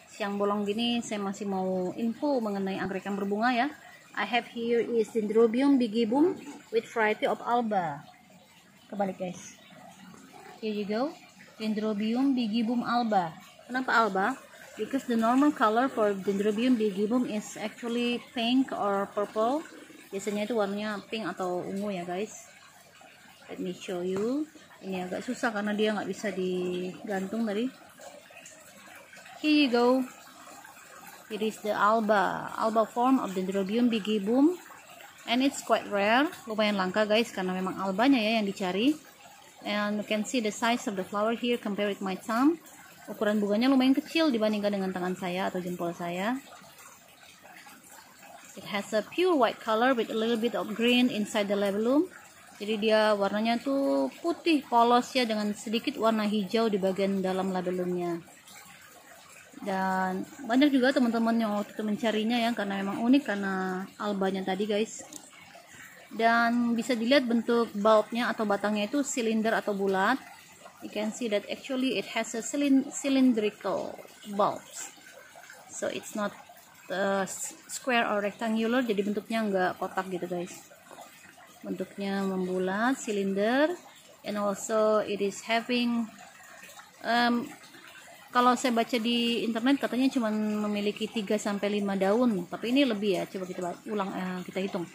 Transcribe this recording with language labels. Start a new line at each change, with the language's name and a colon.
Indonesian: Siang bolong gini saya masih mau info mengenai anggrek yang berbunga ya.
English: I have here is Dendrobium bigibum with variety of alba.
Indonesian: Kebalik guys.
English: Here you go,
Indonesian: Dendrobium bigibum alba. Kenapa alba?
English: Because the normal color for Dendrobium bigibum is actually pink or purple.
Indonesian: Biasanya itu warnanya pink atau ungu ya guys.
English: Let me show you.
Indonesian: Ini agak susah karena dia nggak bisa digantung tadi.
English: Here you go. It is the alba form of Dendrobium bigibum, and it's quite rare.
Indonesian: Lumayan langka guys karena memang albanya ya yang dicari.
English: And you can see the size of the flower here compared with my thumb.
Indonesian: Ukuran bunganya lumayan kecil dibandingkan dengan tangan saya atau jempol saya.
English: It has a pure white color with a little bit of green inside the labellum.
Indonesian: Jadi dia warnanya tuh putih polos ya dengan sedikit warna hijau di bagian dalam labelumnya. Dan banyak juga teman-teman yang waktu itu mencarinya ya karena memang unik karena albanya tadi guys. Dan bisa dilihat bentuk bulbnya atau batangnya itu silinder atau bulat.
English: You can see that actually it has a cylindrical bulbs. So it's not square or rectangular,
Indonesian: jadi bentuknya nggak kotak gitu guys. Bentuknya membulat, silinder,
English: and also it is having,
Indonesian: kalau saya baca di internet katanya cuma memiliki 3-5 daun, tapi ini lebih ya, coba kita ulang, kita hitung.